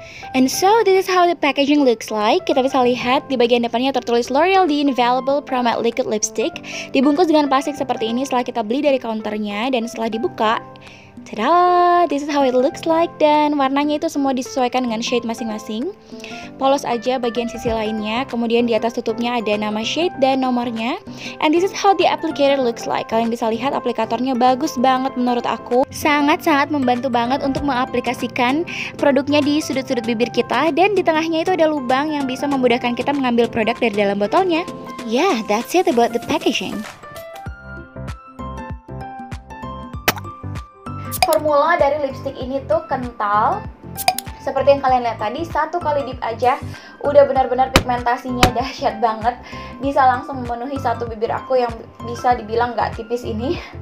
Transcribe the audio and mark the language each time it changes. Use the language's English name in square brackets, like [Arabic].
[English] And so this is how the packaging looks like. [Indonesian] Kita bisa lihat di bagian depannya tertulis L'Oreal The Invaluable Pro Matte Liquid Lipstick. Dibungkus dengan plastik seperti ini setelah kita beli dari counternya. Dan setelah dibuka, tada, [English] this is how it looks like. [Indonesian] Dan warnanya itu semua disesuaikan dengan shade masing-masing. Polos aja bagian sisi lainnya. Kemudian di atas tutupnya ada nama shade dan nomornya. [English] And this is how the applicator looks like. [Indonesian] Kalian bisa lihat aplikatornya bagus banget menurut aku. Sangat-sangat membantu banget untuk mengaplikasikan produknya di sudut-sudut bibir kita. Dan di tengahnya itu ada lubang yang bisa memudahkan kita mengambil produk dari dalam botolnya. [English] Yeah, that's it about the packaging. [Indonesian] Formula dari lipstick ini tuh kental. Seperti yang kalian lihat tadi, satu kali dip aja udah benar-benar pigmentasinya dahsyat banget. Bisa langsung memenuhi satu bibir aku yang bisa dibilang gak tipis ini.